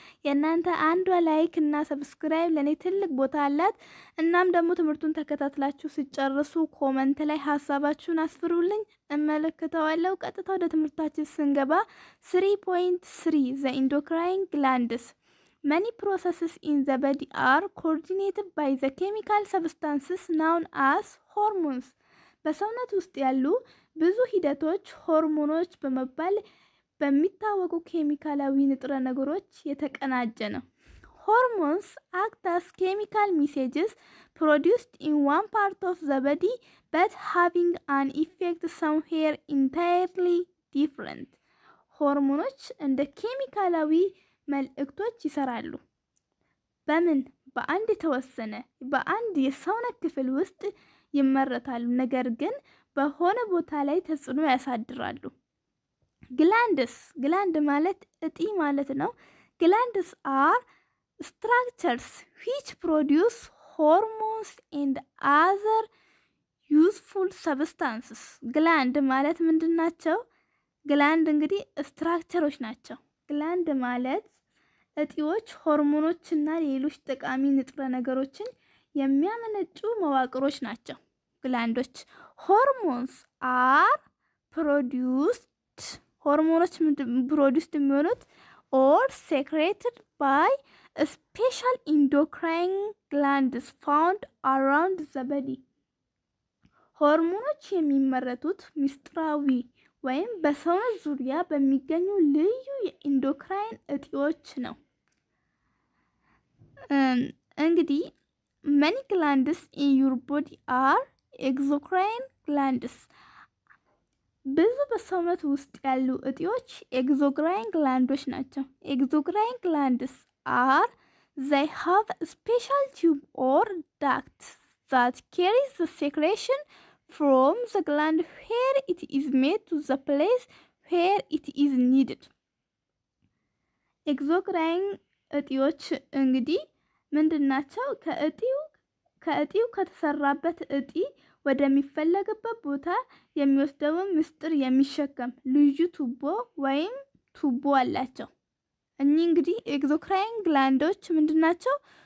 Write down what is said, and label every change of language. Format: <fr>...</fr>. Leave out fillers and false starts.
<am>የናንተ አንዷ ላይክ እና ሰብስክራይብ ለኔ ትልቅ ቦታ አላት። እናም ደግሞ ትምርቱን ተከታትላችሁ ሲጨርሱ ኮመንት ላይ ሐሳባችሁን አስፍሩልኝ እመለከታለሁ። ቀጥታ ወደ ትምርታችን ስንገባ 3.3 ዘ ኢንዶክራይን ግላንድስ</am> <en>Many processes in the body are coordinated by the chemical substances known as hormones.</en> <am>በሰውነት ውስጥ ያሉ ብዙ ሂደቶች ሆርሞኖች በመባል በሚታወቁ ኬሚካላዊ ንጥረ ነገሮች የተቀናጀ ነው።</am> <en>Hormones act as chemical messages produced in one part of the body but having an effect somewhere entirely different.</en> <am>ሆርሞኖች እንደ ኬሚካላዊ መልእክቶች ይሰራሉ። በምን በአንድ ተወሰነ በአንድ የሰውነት ክፍል ውስጥ ይመረታሉ ነገር ግን በሆነ ቦታ ላይ ተጽዕኖ ያሳድራሉ። glands gland ማለት እጢ ማለት ነው።</am> <en>glands are structures which produce hormones and other useful substances.</en> <am>gland ማለት ምንድናቸው? gland እንግዲህ structures ናቸው። gland ማለት እጢዎች ሆርሞኖችና ሌሎች ጠቃሚ ንጥረ ነገሮችን የሚያመነጩ መዋቅሮች ናቸው። ግላንዶች</am> <en>hormones are produced hormones produced immune or secreted by special endocrine glands found around the body.</en> <am>ሆርሞኖች የሚመረቱት ምስጢራዊ ወይም በሰውነት ዙሪያ በሚገኙ ልዩ የኢንዶክራይን እጢዎች ነው። እንግዲህ</am> <en>many glands in your body are exocrine glands.</en> <am>ብዙ በሰውነት ውስጥ ያሉ እጢዎች</am> <en>exocrine glands ናቸው። exocrine glands are they have a special tube or duct that carries the secretion from the gland where it is made to the place where it is needed.</en> <am>exocrine እጢዎች እንግዲህ ምንድናቸው? ከእጢው ከተሰራበት እጢ ወደሚፈለግበት ቦታ የሚወስደው ምስጢር የሚሸከም ልዩ ቱቦ ወይም ቱቦ አላቸው። እኚህ እንግዲህ ኤግዞክራይን ግላንዶች ምንድናቸው?</am>